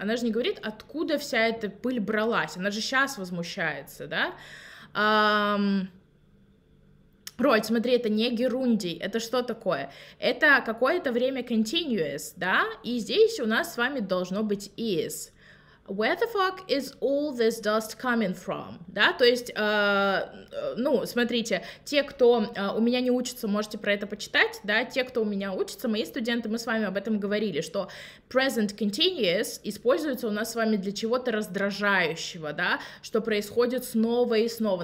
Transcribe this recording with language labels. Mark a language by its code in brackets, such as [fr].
[ru] Она же не говорит, откуда вся эта пыль бралась. Она же сейчас возмущается, да? Роль, смотри, это не герундий, это что такое? Это какое-то время continuous, да? И здесь у нас с вами должно быть is. [en] Where the fuck is all this dust coming from? [ru] Да, то есть, ну, смотрите, те, кто у меня не учится, можете про это почитать, да, те, кто у меня учится, мои студенты, мы с вами об этом говорили, что present continuous используется у нас с вами для чего-то раздражающего, да, что происходит снова и снова.